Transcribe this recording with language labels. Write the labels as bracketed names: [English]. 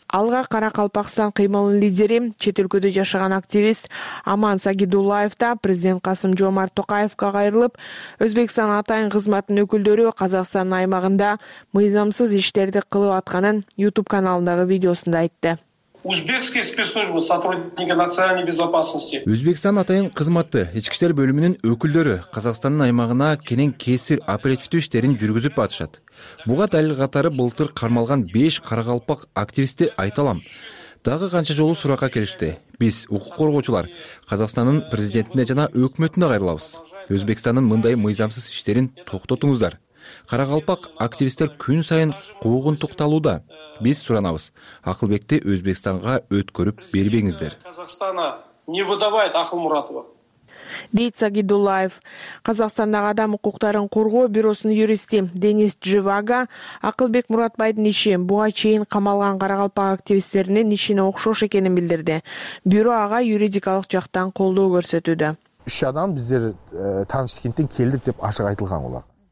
[Kyrgyz] Алга Каракалпакстан кыймылынын лидери, чет өлкөдө жашаган активист Аман Сагидуллаев да президент Касым Жомарт Токаевка кайрылып, Өзбекстан атайын кызматынын өкүлдөрү Казакстандын аймагында мыйзамсыз иштерди кылып атканын YouTube каналындагы видеосунда айтты. [Russian] Узбекские спецслужбы, сотрудники национальной безопасности. [Kyrgyz] Өзбекстан атайын кызматты, ички иштер бөлүмүнүн өкүлдөрү Казакстандын аймагына кенен кесир оперативдүү иштерин жүргүзүп атышат. Буга далил катары былтыр кармалган 5 каракалпак активисти айталам. Дагы канча жолу суракка келишти. Биз укук коргоочулар Казакстандын президентине жана өкмөтүнө кайрылабыз. Өзбекстандын мындай мыйзамсыз иштерин токтотуңуздар. Каракалпак активисттер күн сайын куугунтукталууда. Биз суранабыз. Акылбекти Өзбекстанга өткөрүп бербеңиздер. [Russian] Казахстана не выдавает Акыл Муратова. [Kyrgyz] Дейт Сагидуллаев. Казахстандагы адам укуктарын коргоо бюросунун юристи Денис Дживага Акылбек Муратбайдын иши буга чейин камалган каракалпак активисттеринин ишине окшош экенин билдирди. Бюро ага юридикалык жактан колдоо көрсөтүүдө. 3 адам биздер Таанышкенттен келдик деп ашык айтылган болот.